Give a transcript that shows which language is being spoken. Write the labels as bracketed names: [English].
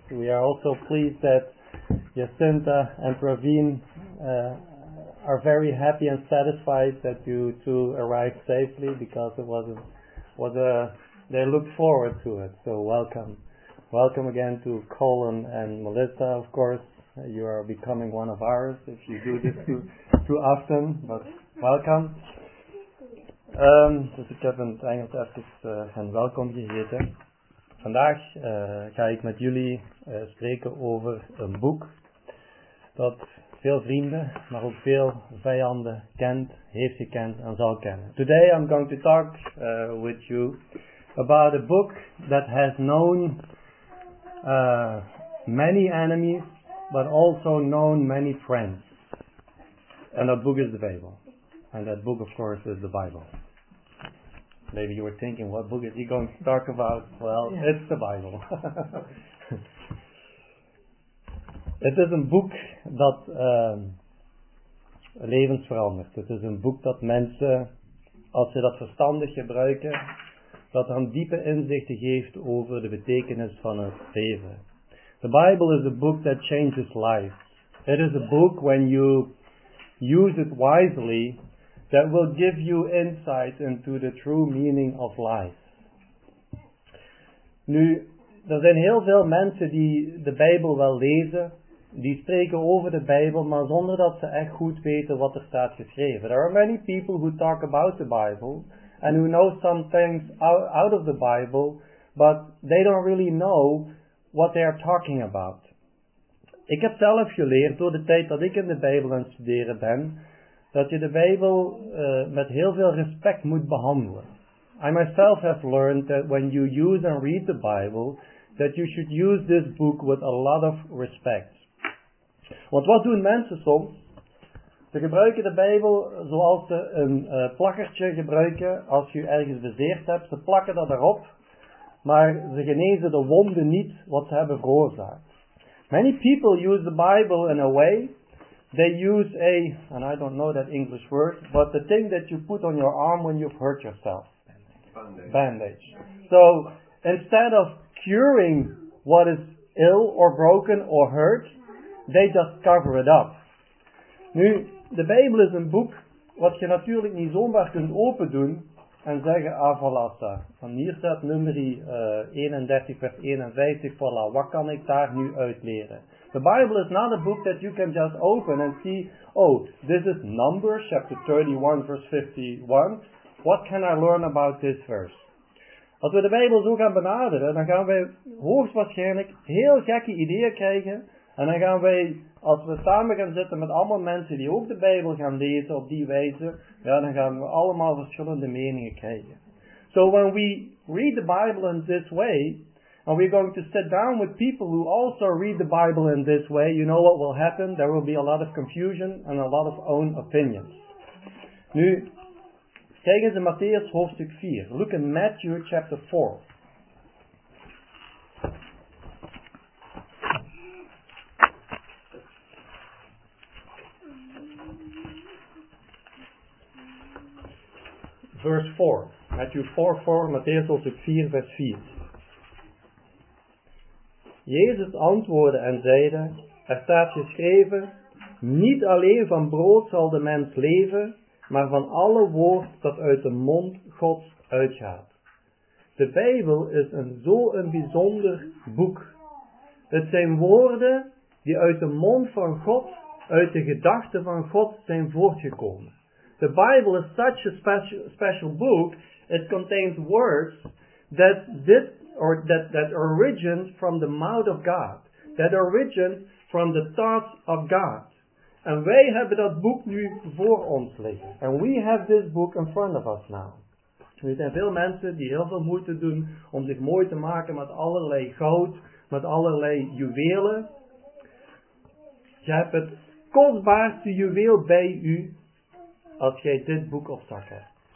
[English] We are also pleased that Jacinta and Praveen are very happy and satisfied that you two arrived safely, because it they looked forward to it. So welcome. Welcome again to Colin and Melissa, of course. You are becoming one of ours if you do this too often, but welcome. [Dutch] Dus ik heb in het Engels even hen welkom geheten. Vandaag ga ik met jullie spreken over een boek dat veel vrienden, maar ook veel vijanden kent, heeft gekend en zal kennen. [English] Today I'm going to talk with you about a book that has known many enemies, but also known many friends. And that book is the Bijbel. And that book, of course, is the Bijbel. Maybe you were thinking, what book is he going to talk about? Well, yeah. It's the Bijbel. [Dutch] Het is een boek dat levens verandert. Het is een boek dat mensen, als ze dat verstandig gebruiken, dat hen diepe inzichten geeft over de betekenis van het leven. [English] The Bible is a book that changes lives. It is a book, when you use it wisely, that will give you insight into the true meaning of life. [Dutch] Nu, er zijn heel veel mensen die de Bijbel wel lezen, die spreken over de Bijbel, maar zonder dat ze echt goed weten wat er staat geschreven. [English] There are many people who talk about the Bible and who know some things out of the Bible, but they don't really know what they are talking about. [Dutch] Ik heb zelf geleerd door de tijd dat ik in de Bijbel aan het studeren ben, dat je de Bijbel met heel veel respect moet behandelen. [English] I myself have learned that when you use and read the Bible, that you should use this book with a lot of respect. [Dutch] Want wat doen mensen soms? Ze gebruiken de Bijbel zoals ze een plakkertje gebruiken als je ergens bezeerd hebt. Ze plakken dat erop, maar ze genezen de wonden niet wat ze hebben veroorzaakt. [English] Many people use the Bible in a way, they use a, and I don't know that English word, but the thing that you put on your arm when you've hurt yourself. Bandage. So, instead of curing what is ill or broken or hurt, they just cover it up. [Dutch] Nu, de Bijbel is een boek wat je natuurlijk niet zomaar kunt open doen en zeggen, ah, voilà, sta. Van hier staat nummer 31 vers 51, voilà, wat kan ik daar nu uit leren? [English] The Bible is not a book that you can just open and see, oh, this is Numbers chapter 31 verse 51, what can I learn about this verse? [Dutch] Als we de Bijbel zo gaan benaderen, dan gaan wij hoogstwaarschijnlijk heel gekke ideeën krijgen. En dan gaan wij, als we samen gaan zitten met allemaal mensen die ook de Bijbel gaan lezen op die wijze, ja, dan gaan we allemaal verschillende meningen krijgen. [English] So when we read the Bible in this way, and we're going to sit down with people who also read the Bible in this way, you know what will happen? There will be a lot of confusion and a lot of own opinions. [Dutch] Nu, kijk eens in Matthäus hoofdstuk 4. [English] Look in Matthew chapter 4. Verse 4, Matthew 4, 4, [Dutch] Matthäus hoofdstuk 4, vers 4. Jezus antwoordde en zeide, er staat geschreven, niet alleen van brood zal de mens leven, maar van alle woord dat uit de mond Gods uitgaat. De Bijbel is zo'n bijzonder boek. Het zijn woorden die uit de mond van God, uit de gedachten van God zijn voortgekomen. [English] The Bible is such a special book. It contains words that origin from the mouth of God. That origin from the thoughts of God. [Dutch] And wij hebben dat boek nu voor ons liggen. [English] And we have this book in front of us now. [Dutch] Er zijn veel mensen die heel veel moeite doen om zich mooi te maken met allerlei goud, met allerlei juwelen. Je hebt het kostbaarste juweel bij u, als jij dit boek op zak hebt.